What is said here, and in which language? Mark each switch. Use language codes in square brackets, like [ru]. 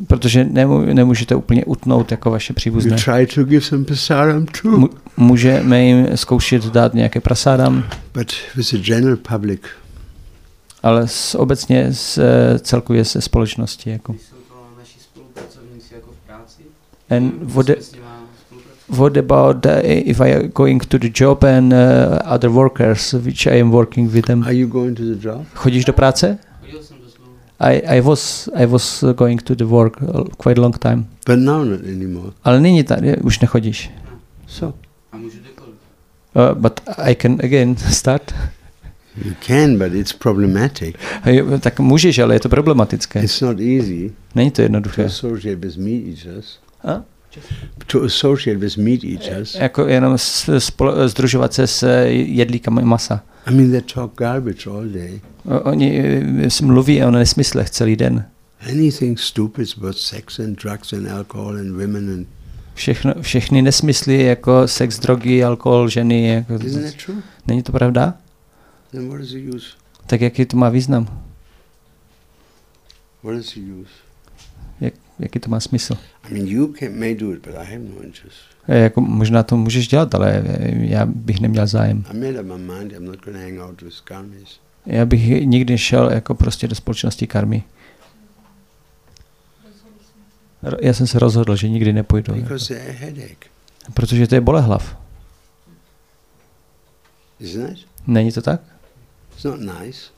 [cs] Protože nemůžete úplně utnout jako vaše příbuzné. [en] You try to give some prasadam too. [cs] Můžeme jim zkoušet dát nějaké prasadam. [en] But with the general public. [cs] Ale obecně s celkově se společností jako. [en] And what about if I am going to the job and other workers which I am working with them? Are you going to the job? [cs] Chodíš do práce? [en] I was going to the work quite long time. But now not anymore. [cs] Ale nyní tady už nechodíš. [en] So. But I can again start. You can, but it's problematic. [cs] Tak můžeš, ale je to problematické. [en] It's not easy. [cs] Není to jednoduché. To je bez [en] meat eaters. To associate with meat eaters. [cs] Jako jenom združovat se s jedlíkami masa. [en] I mean, they talk garbage all day. [cs] Oni mluví o nesmyslech celý den. [en] Anything stupid about sex and drugs and alcohol and women and. [cs] Všechny nesmysly jako sex, drogy, alkohol, ženy. Jako. [en] Isn't that true? [cs] Není to pravda? [en] Then what is the use? [cs] Tak jaký to má význam? [en] What is the use? [cs] Jaký to má smysl? [en] I mean, you may do it, but I have no interest. [cs] Jako, možná to můžeš dělat, ale já bych neměl zájem. [en] I made up my mind, I'm not going to hang out with karmis. [cs] Já bych nikdy šel jako prostě do společnosti karmy. Já jsem se rozhodl, že nikdy nepůjdu. [en] Because jako. Headache. [cs] Protože to je bolehlav. [en] Isn't it? [cs] Není to tak? [en] It's not nice.